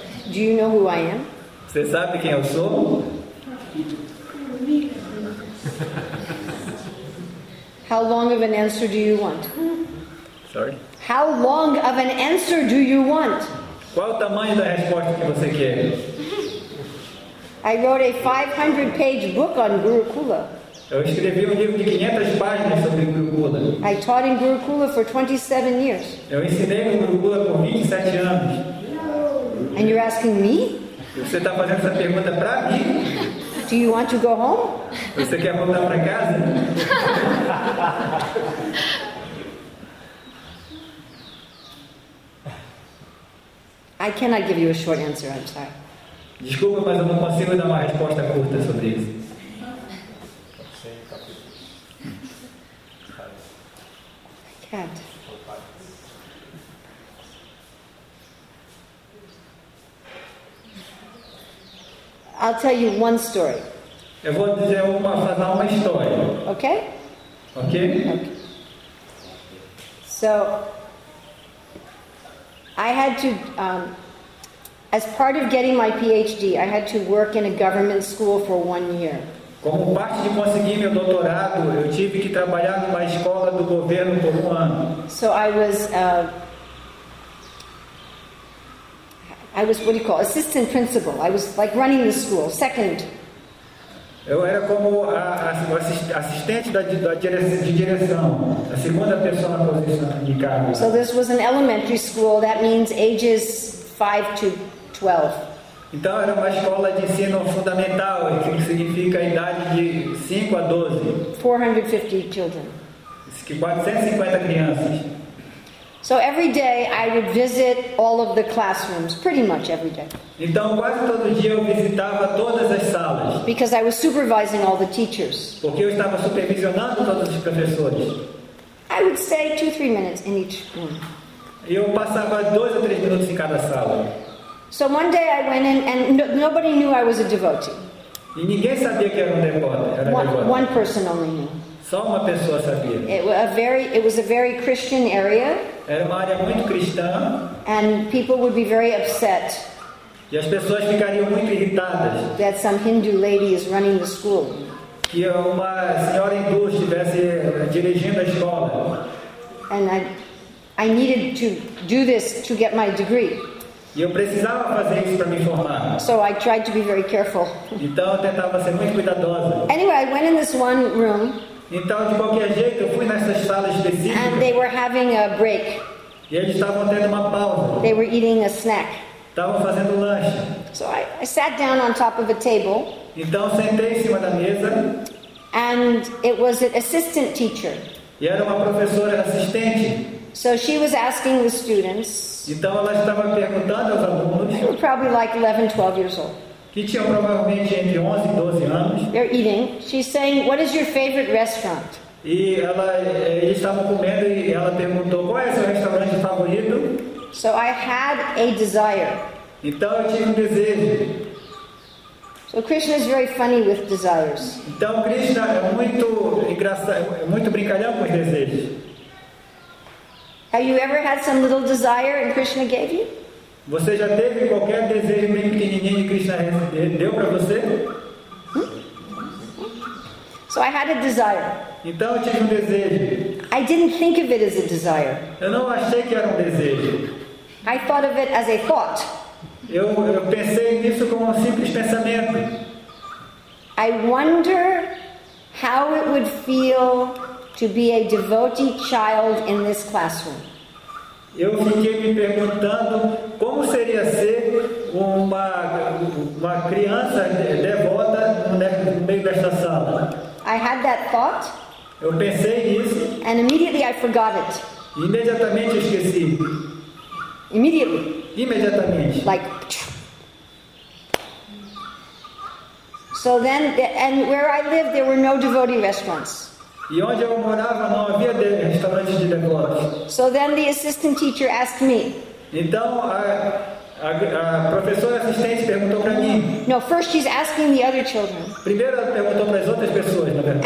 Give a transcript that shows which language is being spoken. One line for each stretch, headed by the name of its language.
English: Do you know who I am?
Portuguese: Você sabe quem eu sou?
English: How long of an answer do you want? Sorry? How long of an answer do you want?
Portuguese: Qual o tamanho da resposta que você quer?
English: I wrote a 500-page book on Gurukula.
Portuguese: Eu escrevi livro de 500 páginas sobre Gurukula.
English: I taught in Gurukula for 27 years.
Portuguese: Eu ensinei em Gurukula por 27 anos.
English: And you're asking me?
Portuguese: Você está fazendo essa pergunta para mim?
English: Do you want to go home?
Portuguese: Você quer voltar para casa?
English: I cannot give you a short answer, I'm sorry.
Portuguese: Desculpa, mas eu não consigo dar uma resposta curta sobre isso.
English: I'll tell you one story.
Portuguese: Eu vou dizer uma, falar uma história.
English: Okay? Okay? So, I had to, as part of getting my PhD, I had to work in a government school for 1 year.
Portuguese: Como parte de conseguir meu doutorado, eu tive que trabalhar numa escola do governo por 1 ano.
English: So I was, what do you call, assistant principal. I was like running the school, second.
Portuguese: Eu era como assistente de direção, a segunda pessoa na posição de cargo.
English: So this was an elementary school, that means ages 5 to 12.
Portuguese: Então era uma escola de ensino fundamental, que significa a idade de 5 a 12.
English: 450 children.
Portuguese: 450 crianças.
English: So every day I would visit all of the classrooms, pretty much every day.
Portuguese: Então quase todo dia eu visitava todas as salas.
English: Because I was supervising all the teachers.
Portuguese: Porque eu estava supervisionando todos os professores.
English: I would stay 2-3 minutes in each room.
Portuguese: Eu passava 2 ou 3 minutos em cada sala.
English: So one day I went in and nobody knew I was a devotee.
Portuguese: E ninguém sabia que era um devoto.
English: One person only knew.
Portuguese: Só uma pessoa sabia.
English: It was a very Christian area.
Portuguese: Era uma área muito cristã.
English: And people would be very upset.
Portuguese: E as pessoas ficariam muito irritadas.
English: That some Hindu lady is running the school.
Portuguese: Que uma senhora hindu estivesse dirigindo a escola.
English: And I needed to do this to get my degree.
Portuguese: E eu precisava fazer isso para me formar.
English: So I tried to be very careful.
Portuguese: Então eu tentava ser muito cuidadosa.
English: Anyway, I went in this one room.
Portuguese: Então, de qualquer jeito, eu fui nessa sala específica.
English: And they were having a break.
Portuguese: E eles estavam tendo uma pausa.
English: They were eating a snack.
Portuguese: Estavam fazendo lanche.
English: So I sat down on top of a table.
Portuguese: Então sentei em cima da mesa.
English: And it was an assistant teacher.
Portuguese: E era uma professora assistente.
English: So she was asking the students.
Portuguese: Então ela estava perguntando aos alunos.
English: They were probably like 11, 12 years old.
Portuguese: Que tinham provavelmente entre 11 e 12 anos.
English: They're eating. She's saying, "What is your favorite restaurant?"
Portuguese: E ela estava comendo e ela perguntou, "Qual é seu restaurante favorito?"
English: So I had a desire.
Portuguese: Então eu tinha um desejo.
English: So Krishna is very funny with desires.
Portuguese: Então Krishna é muito engraçado, muito brincalhão com os desejos.
English: Have you ever had some little desire and Krishna gave you?
Portuguese: Você já teve qualquer desejo bem pequenininho que Krishna deu para você?
English: So I had a desire.
Portuguese: Então eu tive um desejo.
English: I didn't think of it as a desire.
Portuguese: Eu não achei que era um desejo.
English: I thought of it as a thought.
Portuguese: Eu pensei nisso como um simples pensamento.
English: I wonder how it would feel to be a devotee child in this classroom.
Portuguese: Eu fiquei me perguntando como seria ser uma criança devota no meio desta sala.
English: I had that thought.
Portuguese: Eu pensei nisso.
English: And immediately I forgot it.
Portuguese: Imediatamente esqueci.
English: Immediately.
Portuguese: Imediatamente.
English: Like. So then, and where I lived, there were no devotee restaurants.
Portuguese: E onde eu morava não havia restaurantes de devotos.
English: So then the assistant teacher asked me.
Portuguese: Então a professora assistente perguntou para mim.
English: No, first she's asking the other children.
Portuguese: Primeiro ela perguntou para as outras pessoas, na verdade.